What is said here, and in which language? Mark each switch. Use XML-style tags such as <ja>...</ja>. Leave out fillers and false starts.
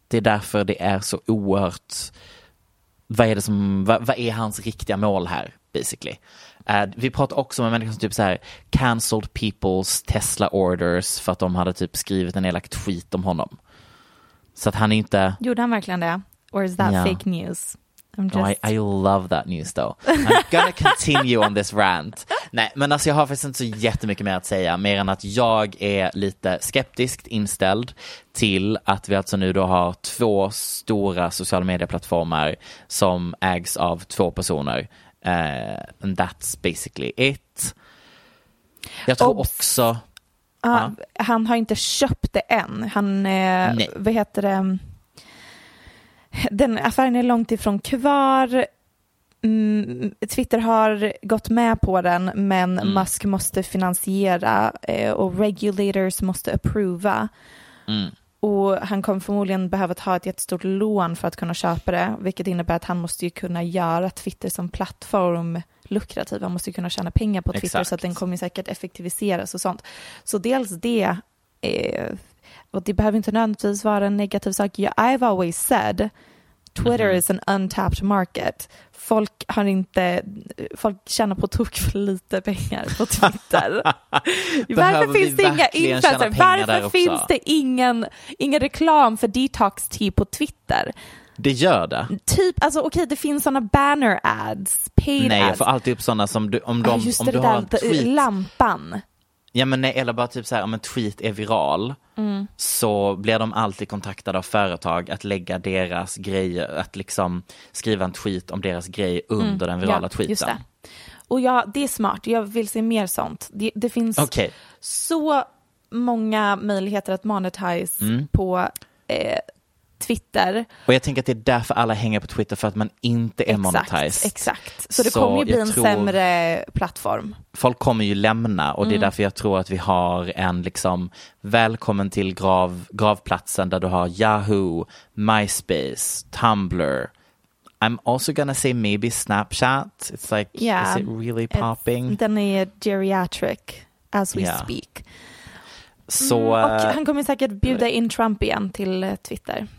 <sv>Det är därför det är så oerhört... Vad är hans riktiga mål här, basically? Vi pratar också med människor som typ så här cancelled people's Tesla orders för att de hade typ skrivit en elak tweet om honom. Så att han inte... Gjorde han verkligen det?</sv> <en>Or is that fake news? I love that news though. I'm gonna continue on this rant.</en> <sv>Nej, men alltså jag har faktiskt inte så jättemycket mer att säga, mer än att jag är lite skeptiskt inställd till att vi alltså nu då har två stora sociala medieplattformar som ägs av två personer.</sv> <en>And that's basically it.</en> <sv>Jag tror också... Han har inte köpt det än. Han, vad heter det? Den affären är långt ifrån kvar. Twitter har gått med på den, men Musk måste finansiera och regulators måste approva. Och han kommer förmodligen behöva ta ett jättestort lån för att kunna köpa det, vilket innebär att han måste ju kunna göra Twitter som plattform lukrativ. Han måste ju kunna tjäna pengar på Twitter. Exakt. Så att den kommer säkert effektiviseras och sånt. Så dels det, och det behöver inte nödvändigtvis vara en negativ sak.</sv> <en>I've always said Twitter is an untapped market.</en> <sv>Folk har inte, folk tjänar på tok för lite pengar på Twitter. Varför finns det inga influencers? Varför finns det ingen reklam för detox tea på Twitter? Det gör det. Typ, alltså okej, det finns såna banner ads, paid ads. Nej, jag får alltid upp såna som du, om de, just om det du där, har en tweet. Lampan. Ja, men nej, eller bara typ så här, om en tweet är viral. Så blir de alltid kontaktade av företag att lägga deras grejer, att liksom skriva en tweet om deras grej under den virala tweeten. Just det. Och ja, det är smart. Jag vill se mer sånt. Det finns så många möjligheter att monetize på Twitter. Och jag tänker att det är därför alla hänger på Twitter, för att man inte är monetized. Exakt. Så det kommer ju bli en sämre plattform. Folk kommer ju lämna, och det är därför jag tror att vi har en liksom välkommen till gravplatsen där du har Yahoo, MySpace, Tumblr.</sv> <en>I'm also gonna say maybe Snapchat. It's like, is it really popping?</en> <sv>Den är</sv> <en>geriatric as we speak.</en> <sv>Så, och han kommer säkert bjuda in Trump igen till Twitter.</sv>